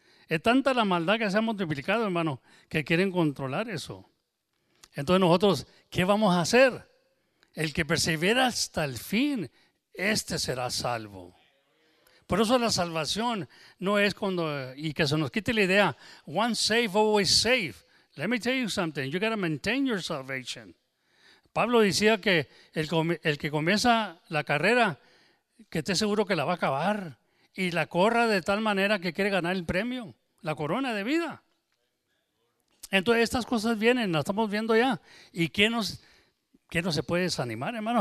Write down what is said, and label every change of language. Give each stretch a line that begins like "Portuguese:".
Spanish: Es tanta la maldad que se ha multiplicado, hermano, que quieren controlar eso. Entonces nosotros, ¿qué vamos a hacer? El que persevera hasta el fin, este será salvo. Por eso la salvación no es cuando, y que se nos quite la idea,
English: once saved, always saved. Let me tell you something, you gotta maintain your salvation.
Spanish: Pablo decía que el que comienza la carrera, que esté seguro que la va a acabar y la corra de tal manera que quiere ganar el premio, la corona de vida. Entonces estas cosas vienen, las estamos viendo ya. ¿Y qué nos se puede desanimar, hermano?